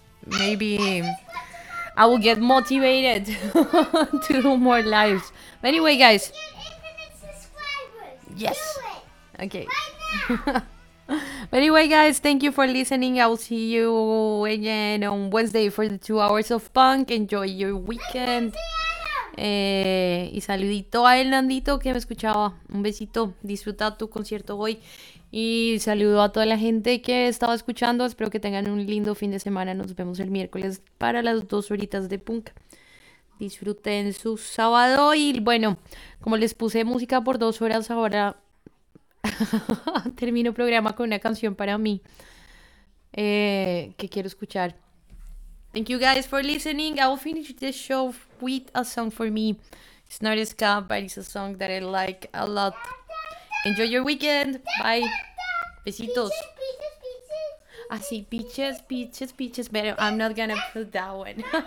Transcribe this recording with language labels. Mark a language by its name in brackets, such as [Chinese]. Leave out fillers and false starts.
[English] Maybe I will get motivated to do more lives. But anyway, guys. Get infinite subscribers. Yes. Do it. Okay. Right now. But anyway, guys, thank you for listening. I will see you again on Wednesday for the 2 hours of punk. Enjoy your weekend. [Spanish] Y saludito a el Nandito que me escuchaba. Un besito, disfruta tu concierto hoy. Y saludo a toda la gente que estaba escuchando. Espero que tengan un lindo fin de semana. Nos vemos el miércoles para las 2 horitas de punk. Disfruten su sábado. Y bueno, como les puse música por 2 horas, ahora termino programa con una canción para mí que quiero escuchar. [English] Thank you guys for listening. I will finish this show with a song for me. It's not a ska, but it's a song that I like a lot. Enjoy your weekend. Bye. [Spanish] Besitos. [English] Peaches, peaches, peaches. Ah, sí, peaches, peaches, peaches. I'm not gonna put that one.